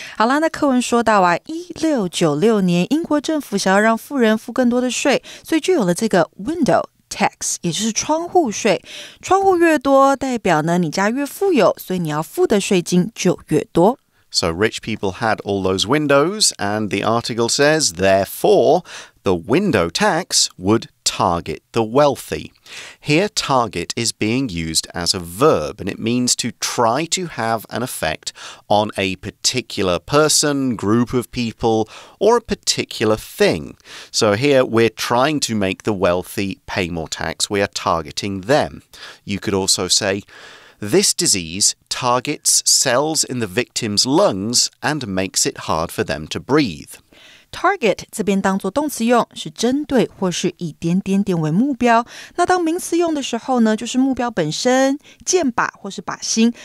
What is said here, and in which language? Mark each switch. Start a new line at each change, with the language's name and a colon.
Chinese: 好啦，那课文说到啊，1696年英国政府想要让富人付更多的税，所以就有了这个 window tax， 也就是窗户税。窗户越多代表呢你家越富有，所以你要付的税金就越多。
English: So rich people had all those windows, and the article says, therefore, the window tax would target the wealthy. Here, target is being used as a verb, and it means to try to have an effect on a particular person, group of people, or a particular thing. So here, we're trying to make the wealthy pay more tax. We are targeting them. You could also say,This disease targets cells in the victim's lungs and makes it hard for them to breathe.
Chinese: Target 这边当作动词用，是针对或是以点点点为目标。那当名词用的时候呢，就是目标本身，箭靶或是靶心。